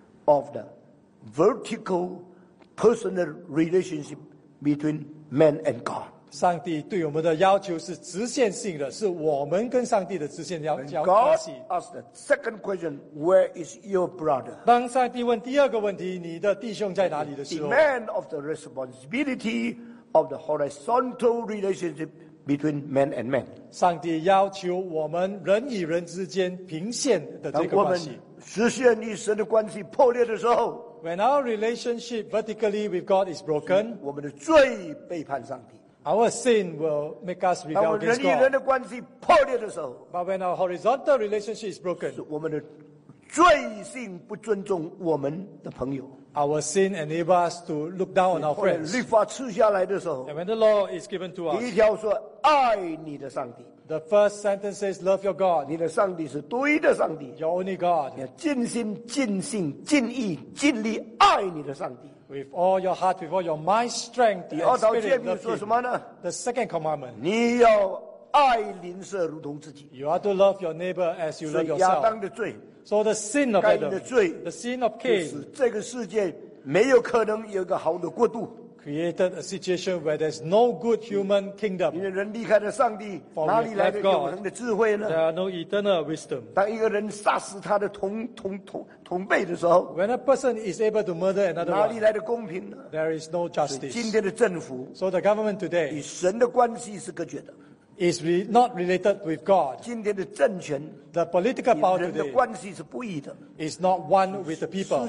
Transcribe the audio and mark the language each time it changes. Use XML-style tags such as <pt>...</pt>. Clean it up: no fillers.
<en>Of the vertical personal relationship between man and God.</en> <zh>上帝对我们的要求是直线性的，是我们跟上帝的直线要关系。</zh> <en>God asked the second question, "Where is your brother?"</en> <zh>当上帝问第二个问题，你的弟兄在哪里的时候</zh> <en>，demand of the responsibility of the horizontal relationship between man and man.</en> <zh>上帝要求我们人与人之间平线的这个关系。实现与神的关系破裂的时候，</zh> <en>When our relationship vertically with God is broken,</en> <zh>我们的罪背叛上帝。</zh> <en>Our sin will make us rebel against God.</en> <zh>当人与人的关系破裂的时候，</zh> <en>But when our horizontal relationship is broken,</en> <zh>是我们的罪性不尊重我们的朋友。</zh> <en>Our sin enables us to look down on our friends.</en> <zh>律法赐下来的时候，</zh> <en>And when the law is given to us,</en> <zh>第一条说爱你的上帝。</zh> <en>The first sentence says, "Love your God."</en> <zh>你的上帝是独一的上帝。</zh> <en>Your only God.</en> <zh>你要尽心、尽性、尽意、尽力爱你的上帝。</zh> <en>With all your heart, with all your mind, strength, and spirit.</en> <zh>第二条诫命说什么呢？</zh> <en>The second commandment.</en> <zh>你要爱邻舍如同自己。</zh> <en>You are to love your neighbor as you love yourself.</en> <zh>所以亚当的罪，</zh> <en>so the sin of Adam,</en> <zh>该隐的罪，</zh> <en>the sin of Cain,</en> <zh>就是这个世界没有可能有一个好的国度。</zh> <en>created a situation where there's no good human kingdom.</en> <zh>因为人离开了上帝,</zh> <en>For we left God, there are no eternal wisdom.</en> <zh>当一个人杀死他的同辈的时候,</zh> <en>when a person is able to murder another</en> <zh>哪里来的公平呢?</zh> <en>One, there is no justice.</en> <zh>今天的政府,</zh> <en>so the government today,</en> <zh>与神的关系是隔绝的,</zh> <en>is not related with God.</en> <zh>今天的政权,</zh> <en>the political power today is not one with the people.</en>